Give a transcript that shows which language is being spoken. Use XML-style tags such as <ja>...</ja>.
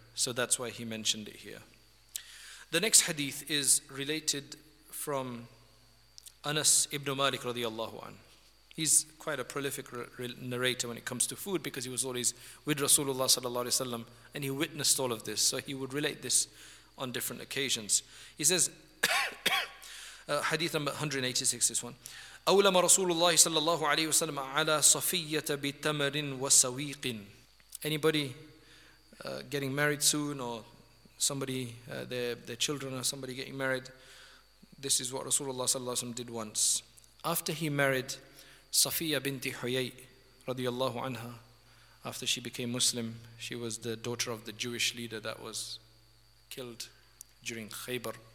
<en>So that's why he mentioned it here. The next hadith is related from Anas ibn Malik radiallahu anhu. He's quite a prolific narrator when it comes to food, because he was always with Rasulullah sallallahu alaihi wasallam and he witnessed all of this. So he would relate this on different occasions. He says, hadith number 186, this one.</en> <ar>أَوْلَمَ رَسُولُ اللَّهِ صَلَّى اللَّهُ عَلَيْهِ وَسَلَّمَ عَلَى صَفِيَّةَ بِتَمَرٍ وَسَوِيقٍ.</ar> <en>Anybody getting married soon, or somebody, their children or somebody getting married. This is what Rasulullah sallallahu alaihi wasallam did once. After he married Safiya binti Huyay radiallahu anha, after she became Muslim, she was the daughter of the Jewish leader that was killed during Khaybar.</en>